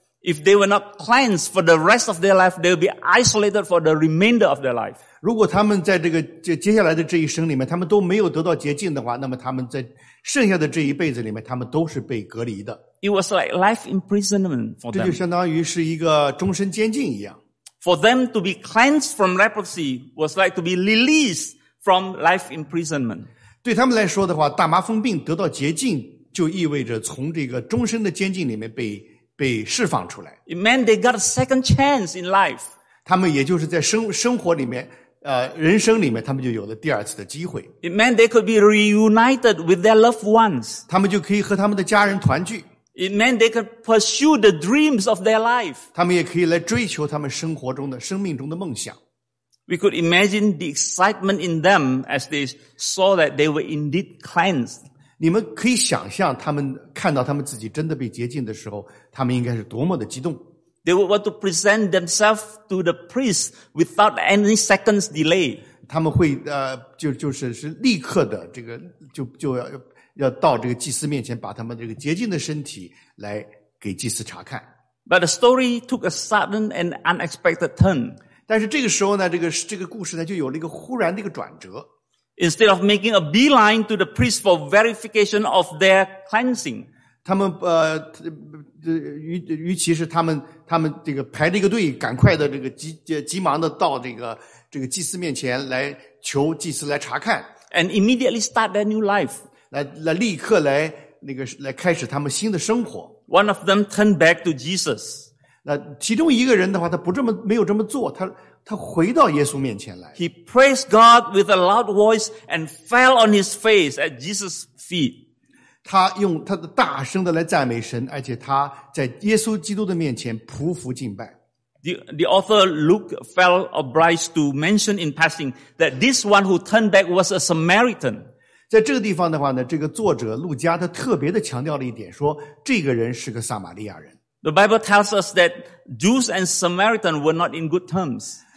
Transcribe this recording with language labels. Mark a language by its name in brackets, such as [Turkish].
[English] If they were not cleansed for the rest of their life, they would be isolated for the remainder of their life. [Chinese] 如果他们在这个接下来的这一生里面，他们都没有得到洁净的话，那么他们在剩下的这一辈子里面，他们都是被隔离的。 [English] It was like life imprisonment for them. [Chinese] 这就相当于是一个终身监禁一样。 [English] For them to be cleansed from leprosy was like to be released from life imprisonment. [Chinese] 对他们来说的话，大麻风病得到洁净，就意味着从这个终身的监禁里面被释放出来。 [English] It meant they got a second chance in life. [Chinese] 他们也就是在生活里面，人生里面，他们就有了第二次的机会。 [English] It meant they could be reunited with their loved ones. [Chinese] 他们就可以和他们的家人团聚。 [English] It meant they could pursue the dreams of their life. [Chinese] 他们也可以来追求他们生活中的、生命中的梦想。 [English] We could imagine the excitement in them as they saw that they were indeed cleansed. [Chinese] 你们可以想象他们看到他们自己真的被洁净的时候，他们应该是多么的激动。 [English] They would want to present themselves to the priest without any seconds delay. [Chinese] 他们会就是立刻的这个就要到这个祭司面前把他们这个洁净的身体来给祭司查看。 [English] But the story took a sudden and unexpected turn. [Chinese] 但是这个时候呢，这个故事呢就有了一个忽然的一个转折。 [English] Instead of making a beeline to the priest for verification of their cleansing. [Chinese] 他们与其是他们这个排了一个队，赶快的这个急忙的到这个祭司面前来求祭司来查看。 [English] And immediately start their new life. [Chinese] 来立刻来那个来开始他们新的生活。 [English] One of them turned back to Jesus. [Chinese] 那其中一个人的话，他不这么没有这么做，他回到耶稣面前来。 [English] He praised God with a loud voice and fell on his face at Jesus' feet. [Chinese] 他用他的大声的来赞美神，而且他在耶稣基督的面前匍匐敬拜。 [English] The author Luke felt obliged to mention in passing that this one who turned back was a Samaritan. [Chinese] 在这个地方的话呢，这个作者路加他特别的强调了一点，说这个人是个撒玛利亚人。 [English] The Bible tells us that Jews and Samaritans were not in good terms.